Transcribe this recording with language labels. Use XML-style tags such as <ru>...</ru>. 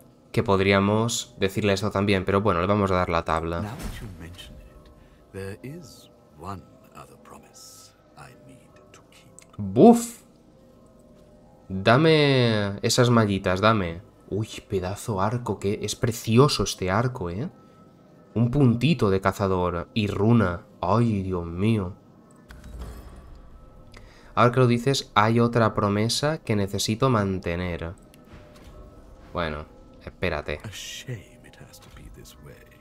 <es>Que podríamos decirle esto también, pero bueno, le vamos a dar la tabla.</es> <en>Now that you mention it, there is one other promise I need to keep. ¡Buf!</en> <es>Dame esas mallitas, dame. Uy, pedazo arco, que es precioso este arco, ¿eh? Un puntito de cazador y runa. ¡Ay, Dios mío! Ahora que lo dices, hay otra promesa que necesito mantener. Bueno, espérate.</es> <en>A shame it has to be this way.</en>